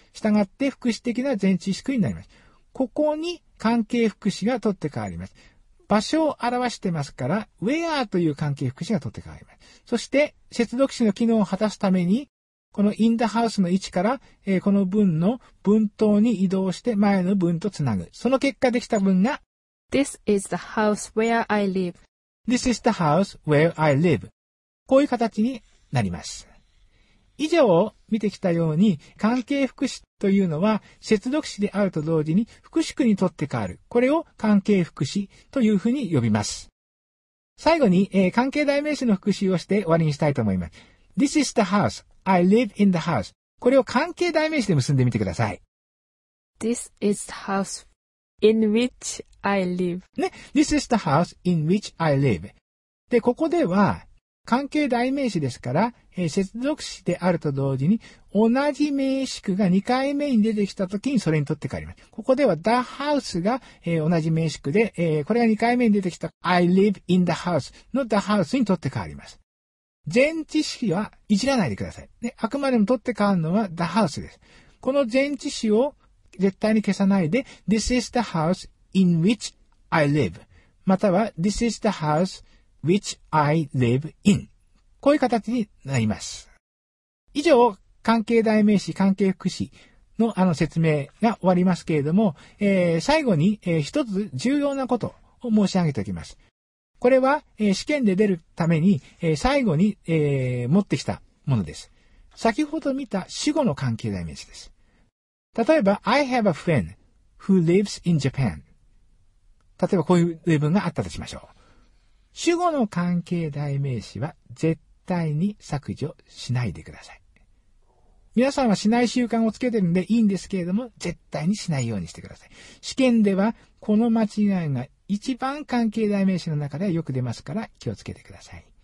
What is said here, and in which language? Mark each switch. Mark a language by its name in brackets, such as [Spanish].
[Japanese] したがって副詞的な前置詞になります。ここに関係副詞が取って代わります。場所を表してますから、where という関係副詞が取って代わります。そして、接続詞の機能を果たすために、この in the house の位置から、この文の文頭に移動して前の文とつなぐ。その結果できた文が、 [English] This is the house where I live. This is the house where I live. [Japanese] こういう形になります。以上、見てきたように、関係副詞というのは、接続詞であると同時に、副詞にとって変わる。これを関係副詞というふうに呼びます。最後に、関係代名詞の復習をして終わりにしたいと思います。 [English] This is the house. I live in the house. [Japanese] これを関係代名詞で結んでみてください。 [English] This is the house in which I live. [Japanese] ね。 [English] This is the house in which I live. [Japanese] で、ここでは、関係代名詞ですから、接続詞であると同時に、同じ名詞句が2回目に出てきたときにそれにとって変わります。ここでは the house が、同じ名詞句で、これが2回目に出てきた [English] I live in the house [Japanese] の the house にとって変わります。前置詞はいじらないでください。ね、あくまでもとって変わるのは the house です。この前置詞を絶対に消さないで [English] this is the house in which I live [Japanese] または [English] this is the houseWhich I live in. [Japanese] こういう形になります。以上、関係代名詞、関係副詞の説明が終わりますけれども、最後に、一つ重要なことを申し上げておきます。これは、試験で出るために、最後に、持ってきたものです。先ほど見た主語の関係代名詞です。例えば、 [English] I have a friend who lives in Japan. [Japanese] 例えばこういう例文があったとしましょう。主語の関係代名詞は絶対に削除しないでください。皆さんはしない習慣をつけてるんでいいんですけれども、絶対にしないようにしてください。試験ではこの間違いが一番関係代名詞の中ではよく出ますから気をつけてください。